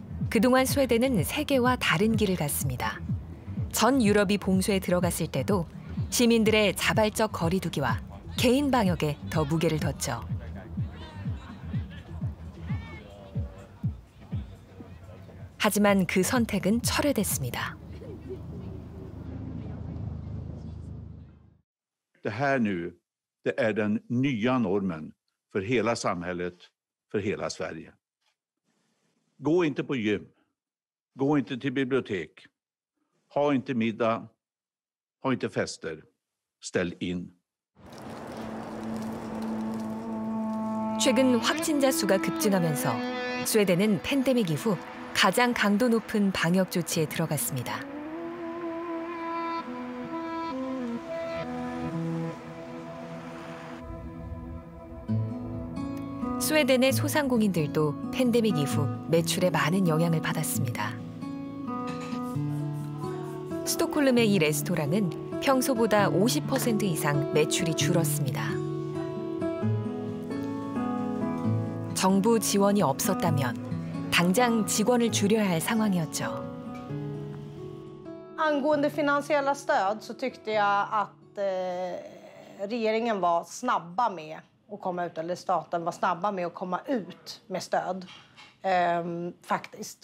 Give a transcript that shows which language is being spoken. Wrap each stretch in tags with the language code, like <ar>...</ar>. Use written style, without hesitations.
<ko>그동안 스웨덴은 세계와 다른 길을 갔습니다. 전 유럽이 봉쇄에 들어갔을 때도 시민들의 자발적 거리두기와 개인 방역에 더 무게를 뒀죠. 하지만 그 선택은 철회됐습니다.</ko> <sv>Det här nu, det är den nya normen för hela samhället, för hela Sverige. Gå inte på gym. Gå inte till bibliotek. Ha inte middag. Ha inte fester. Ställ in.</sv> <ko>최근 확진자 수가 급증하면서 스웨덴은 팬데믹 이후 가장 강도 높은 방역 조치에 들어갔습니다. 스웨덴의 소상공인들도 팬데믹 이후 매출에 많은 영향을 받았습니다. 스톡홀름의 이 레스토랑은 평소보다 50% 이상 매출이 줄었습니다. 정부 지원이 없었다면 당장 직원을 줄여야 할 상황이었죠.</ko> <sv>Angående finansiella stöd så tyckte jag att regeringen var snabba med att komma ut eller staten var snabba med att komma ut med stöd. Faktiskt.</sv>